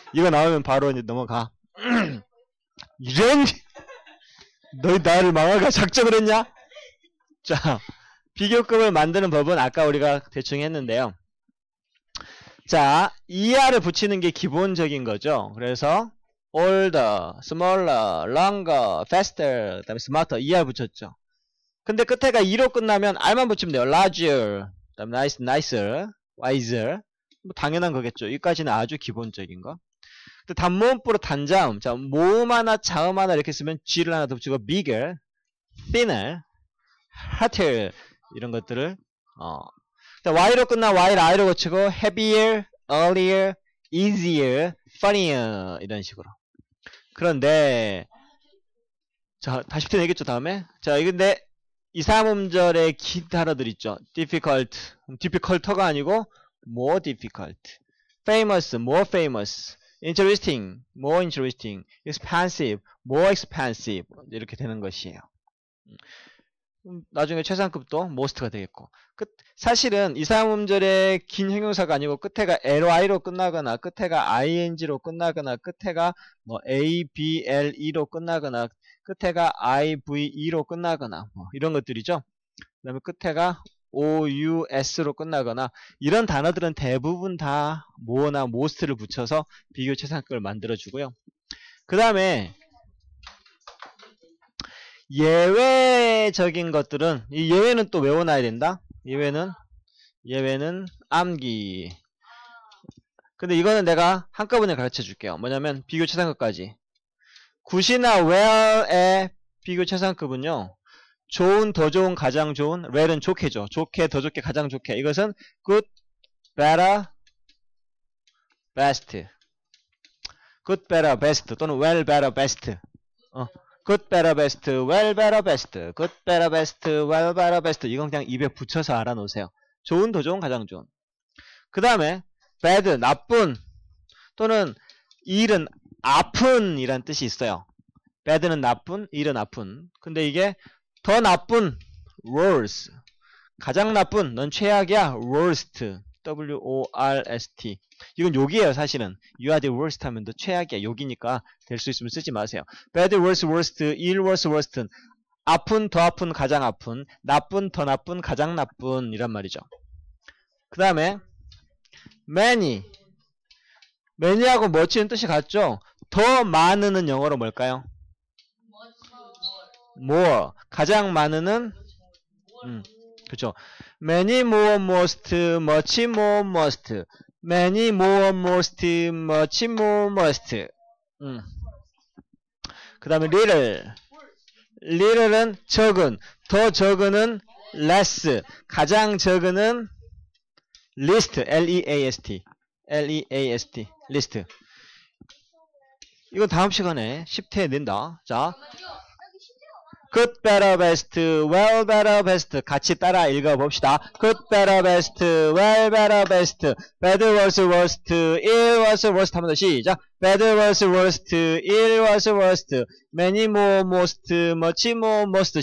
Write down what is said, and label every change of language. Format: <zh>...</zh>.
<ko>이거 나오면 바로 이제 넘어가. 이런! 너희 나를 망할까 작정을 했냐? 자, 비교급을 만드는 법은 아까 우리가 대충 했는데요. 자, er을 붙이는 게 기본적인 거죠. 그래서,</ko> <en>older, smaller, longer, faster,</en> <ko>그 다음에 smarter, er 붙였죠. 근데 끝에가 e로 끝나면 r만 붙이면 돼요.</ko> <en>larger, nice, nicer, wiser.</en> <ko>뭐 당연한 거겠죠. 여기까지는 아주 기본적인 거. 근데 단모음보로 단자음. 자, 모음 하나, 자음 하나 이렇게 쓰면 g를 하나 더 붙이고,</ko> <en>bigger, thinner, hotter,</en> <ko>이런 것들을, y로 끝나 y를 i로 고치고</ko> <en>heavier, earlier, easier, funnier</en> <ko>이런 식으로. 그런데 자 다시 또 얘기했죠 다음에. 자 근데 2, 3음절의 기 단어들 있죠.</ko> <en>difficult, difficult가 아니고 more difficult, famous, more famous, interesting, more interesting, expensive, more expensive</en> <ko>이렇게 되는 것이에요. 나중에 최상급도 most가 되겠고. 끝, 사실은 2, 3음절의 긴 형용사가 아니고 끝에가 ly로 끝나거나 끝에가 ing로 끝나거나 끝에가 뭐 able로 끝나거나 끝에가 ive로 끝나거나 뭐 이런 것들이죠. 그 다음에 끝에가 ous로 끝나거나 이런 단어들은 대부분 다 more나 most를 붙여서 비교 최상급을 만들어주고요. 그 다음에 예외적인 것들은, 이 예외는 또 외워놔야 된다. 예외는 암기. 근데 이거는 내가 한꺼번에 가르쳐 줄게요. 뭐냐면 비교 최상급까지. 굿이나 well의 비교 최상급은요, 좋은, 더 좋은, 가장 좋은, well은 좋게죠. 좋게, 더 좋게, 가장 좋게. 이것은</ko> <en>good, better, best. good, better, best 또는 well, better, best. Good, better, best, well, better, best, good, better, best, well, better, best.</en> <ko>이건 그냥 입에 붙여서 알아놓으세요. 좋은, 더 좋은, 가장 좋은. 그 다음에 bad, 나쁜, 또는 일은 아픈 이란 뜻이 있어요. bad는 나쁜, 일은 아픈. 근데 이게 더 나쁜, worse, 가장 나쁜, 넌 최악이야, worst, w-o-r-s-t. 이건 욕이에요 사실은.</ko> <en>You are the worst</en> <ko>하면 너 최악이야, 욕이니까 될 수 있으면 쓰지 마세요.</ko> <en>Bad, worse, worst, ill, worse, worst.</en> <ko>아픈, 더 아픈, 가장 아픈, 나쁜, 더 나쁜, 가장 나쁜 이란 말이죠. 그 다음에 many, many하고 much는 뜻이 같죠. 더 많은은 영어로 뭘까요? More. 가장 많은은 그렇죠.</ko> <en>Many more, most, much more, most. Many more, most, much more, most.</en> <ko>그 다음에 little. Little은 적은. 더 적은은 less. 가장 적은은 least.</ko> <en>L-E-A-S-T. L-E-A-S-T. List.</en> <ko>이건 다음 시간에 10회 낸다. 자.</ko> <en>Good, better, best, well, better, best.</en> <ko>같이 따라 읽어봅시다.</ko> <en>Good, better, best, well, better, best. Bad, worse, worst, ill, worse, worst.</en> <ko>한 번 더 시작.</ko> <en>Bad, worse, worst, ill, worse, worst. Many more, most, much more, most.</en>